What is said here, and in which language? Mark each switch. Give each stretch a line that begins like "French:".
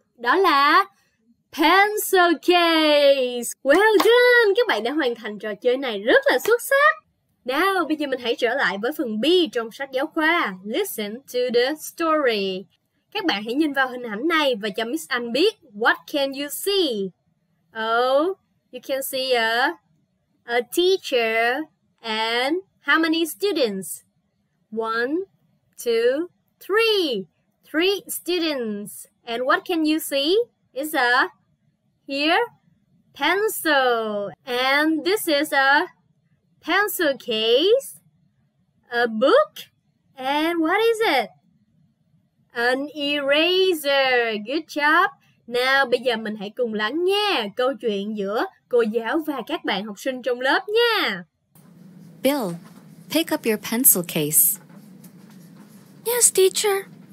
Vietnamese: Đó là pencil case.
English: Well done,
Vietnamese: các bạn đã hoàn thành trò chơi này rất là xuất sắc. Nào, bây giờ mình hãy trở lại với phần B trong sách giáo khoa.
English: Listen to the story.
Vietnamese: Các bạn hãy nhìn vào hình ảnh này và cho Miss Anh biết.
English: What can you see? You can see a teacher and how many students? 1, 2, 3. 3 students. And what can you see? It's a, here, pencil. And this is a pencil case, a book, and what is it? An eraser. Good job.
Vietnamese: Nào, bây giờ mình hãy cùng lắng nghe câu chuyện giữa cô giáo và các bạn học sinh trong lớp nha.
English: Bill, pick up your pencil case. Yes, teacher.